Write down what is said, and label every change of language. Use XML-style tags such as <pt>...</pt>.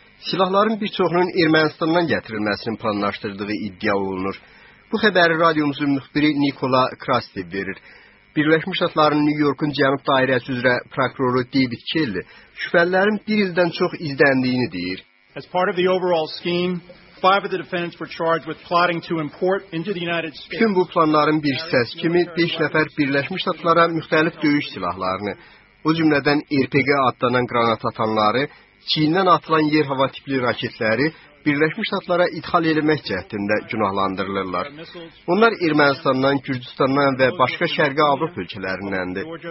<az>Silahların bir çoxunun Ermənistandan gətirilməsinin planlaşdırdığı iddia olunur. Bu xəbəri radiomuzun müxbiri Nikola Krastev verir. Birləşmiş Ştatların New Yorkun Cənub Dairəsi üzrə prokuroru David Kelly şübhəlilərin bir ildən çox izləndiyini deyir.</az> <en>As part of the overall scheme, five of the defendants were charged with plotting to import into the United States.</en> <az>Bütün bu planların bir hissəsi kimi 5 nəfər Birləşmiş Ştatlara müxtəlif döyüş silahlarını, o cümlədən RPG adlanan granat atanları, Çindən atılan yer-hava tipli raketləri Birləşmiş Ştatlara idxal eləmək cəhdində günahlandırılırlar. Onlar Ermənistandan, Gürcüstandan və başqa Şərqi Avropa ölkələrindəndir.</az>